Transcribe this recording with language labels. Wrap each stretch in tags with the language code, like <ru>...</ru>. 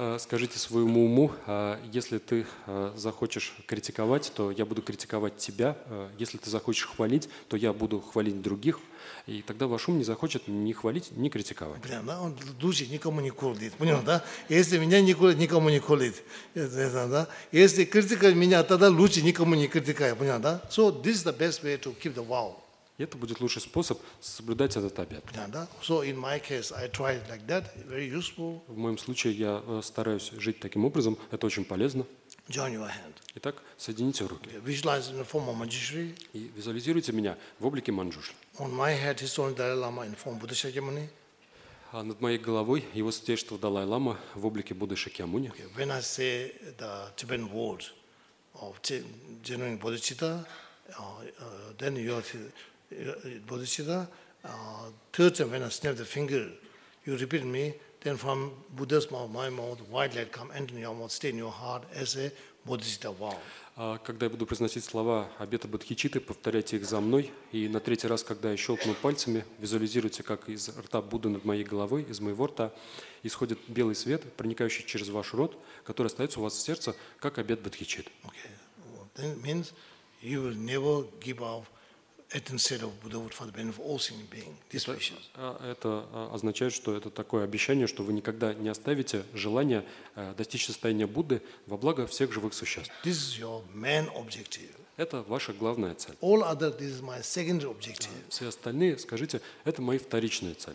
<ru>Скажите своему уму, если ты захочешь критиковать, то я буду критиковать тебя. Если ты захочешь хвалить, то я буду хвалить других. И тогда ваш ум не захочет ни хвалить, ни критиковать. Блин, да, он души никому не колит. Понял, да? Если меня не колит, никому не колит. Это, да? Если критиковать меня, тогда лучше никому не критикай. Понял, да?</ru> <en>So this is the best way to keep the vow.</en> <ru>И это будет лучший способ соблюдать этот обет.</ru> <en>Yeah,</en> <ru>да?</ru> <en>So in my case, I try like that, very useful.</en> <ru>В моем случае я стараюсь жить таким образом, это очень полезно.</ru> <en>Join your hand.</en> <ru>Итак, соедините руки.</ru> <en>Okay. Visualize in the form of Manjushri.</en> <ru>И визуализируйте меня в облике Манджушри.</ru> <en>On my head is only Dalai Lama in form of Buddha Shakyamuni.</en> <ru>А над моей головой его святейшество Далай Лама в облике Будды Шакьямуни.</ru> <en>Okay. When I say the Tibetan word of genuine Bodhicitta, then you have to Bodhicitta, third time when I snap the finger, you repeat me, then from Buddha's mouth, my mouth, white light come, enter your mouth, stay in your heart as a Bodhicitta vow.</en> <ru>Когда я буду произносить слова обета Бодхичитты, повторяйте их за мной, и на третий раз, когда я щелкну пальцами, визуализируйте, как из рта Будды над моей головой, из моего рта, исходит белый свет, проникающий через ваш рот, который остается у вас в сердце, как обет Бодхичитты.</ru> <en>Okay. Well, that means you will never give up instead of Buddha would for the benefit of all sentient beings. This wishes.</en> <ru>Это означает, что это такое обещание, что вы никогда не оставите желание достичь состояния Будды во благо всех живых существ.</ru> <en>This is your main objective.</en> <ru>Это ваша главная цель.</ru> <en>All other, this is my secondary objective.</en> <ru>Все остальные, скажите, это мои вторичные цели.</ru>